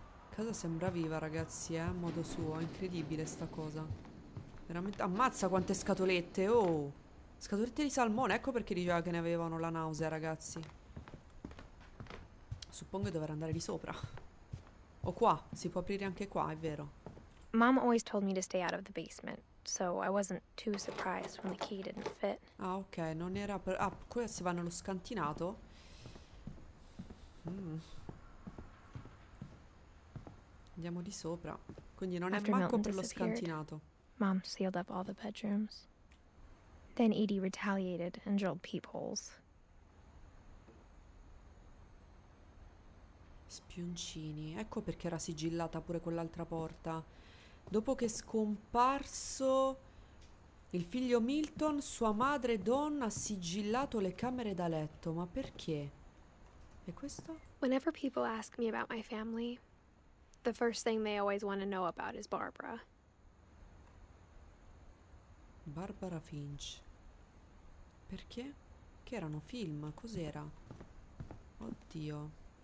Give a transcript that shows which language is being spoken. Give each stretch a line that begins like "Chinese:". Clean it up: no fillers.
Italian: Casa sembra viva, ragazzi, a modo suo. È incredibile sta cosa. Veramente. Ammazza quante scatolette! Oh! Scatolette di salmone, ecco perché diceva che ne avevano la nausea, ragazzi. Suppongo di dover andare di sopra. O qua, si può aprire anche qua, è vero.
English: Mom always told me to stay out of the basement, so I wasn't too surprised when the key didn't fit.
Italian: Ah, ok, non era per... Ah, qua si va nello scantinato. Andiamo di sopra. Quindi non
English: After
Italian: è manco
English: Milton
Italian: per lo scantinato.
English: Mom sealed up all the bedrooms. Then Edie retaliated and drilled peepholes.
Italian: Spioncini. Ecco perché era sigillata pure quell'altra porta. Dopo che è scomparso il figlio Milton, sua madre Dawn ha sigillato le camere da letto. Ma perché? E questo?
English: Whenever people ask me about my family, the first thing they always want to know about is Barbara.
Italian: Barbara Finch. Perché? Che erano film? Cos'era? Oddio.